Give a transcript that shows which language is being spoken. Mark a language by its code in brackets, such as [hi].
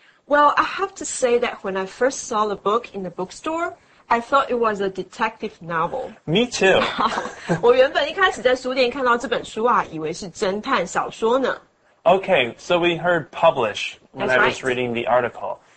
[en] Well, I have to say that when I first saw the book in the bookstore,I thought it was a detective novel. Me too. [zh] 我原本一开始在书店看到这本书啊，以为是侦探小说呢。 [en] Okay, so we heard publish when I was reading the article.